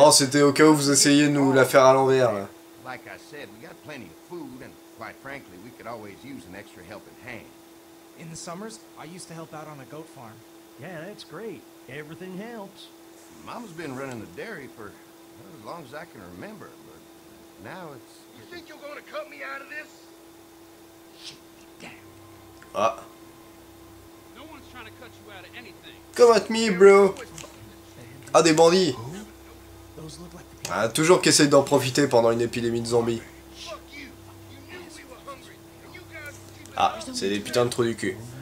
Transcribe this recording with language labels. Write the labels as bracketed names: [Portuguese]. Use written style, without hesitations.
[French] Non, c'était au cas où vous essayiez de nous la faire à l'envers. [English] Like I said, we got plenty of food, and quite frankly, we could always use an extra helping hand. In the summers, I used to help out on a goat farm. Yeah, that's great. Everything helps. Mama's been running the dairy for as long as I can remember, but now it's... You think you're going to cut me out of this? Shit, you damn. Ah. No one's trying to cut you out of anything. Come at me, bro. [French] Ah, des bandits. Ah, toujours qu'essaye d'en profiter pendant une épidémie de zombies. Ah, c'est des putains de trous du cul.